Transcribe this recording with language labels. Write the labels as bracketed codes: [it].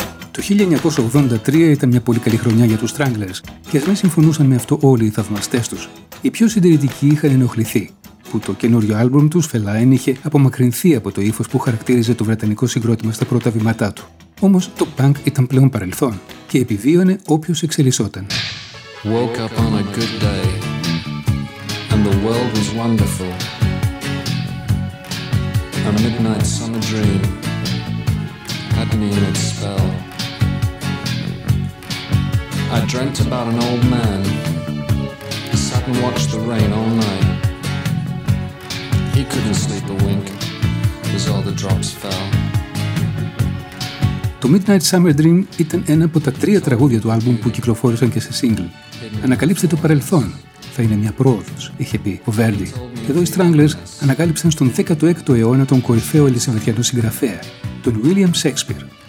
[el] Το 1983 ήταν μια πολύ καλή χρονιά για τους Stranglers και ας μην συμφωνούσαν με αυτό όλοι οι θαυμαστές τους. Οι πιο συντηρητικοί είχαν ενοχληθεί, που το καινούριο άλμπουμ τους, Feline, είχε απομακρυνθεί από το ύφος που χαρακτήριζε το βρετανικό συγκρότημα στα πρώτα βήματά του. Όμως το punk ήταν πλέον παρελθόν και επιβίωνε όποιος εξελισσόταν. [en] Woke up on a good day and the world was wonderful. A midnight summer dream had me in its spell. I dreamt about an old man, sat and watched the rain all night. He couldn't sleep a wink as all the drops fell. [el] Το Midnight Summer Dream ήταν ένα από τα τρία τραγούδια του άλμπουμ που κυκλοφόρησαν και σε single. Ανακαλύψτε το παρελθόν, θα είναι μια πρόοδος, είχε πει ο Βέρντι. Εδώ οι Stranglers ανακάλυψαν στον 16ο αιώνα τον κορυφαίο ελισσαβετιανό συγγραφέα, τον William Shakespeare.